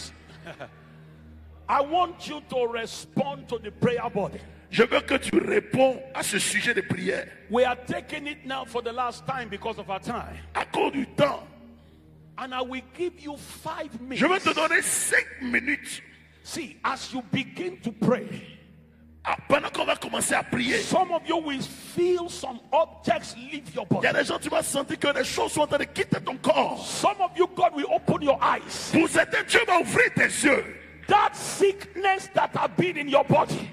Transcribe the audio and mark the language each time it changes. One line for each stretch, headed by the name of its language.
English: Please, I want you to respond to the prayer body.
French: Je veux que tu réponds à ce sujet de prière.
English: We are taking it now for the last time because of our time.
French: À cause du temps.
English: And I will give you 5 minutes.
French: Je vais te donner 5 minutes.
English: See, as you begin to pray.
French: Pendant qu'on va commencer à prier,
English: some of you will feel some objects leave your body.
French: Il y a des gens, tu vas sentir que des choses sont en train de quitter ton corps.
English: Some of you, God will open your eyes.
French: Pour certains, Dieu va ouvrir tes yeux.
English: That sickness that has been in your body,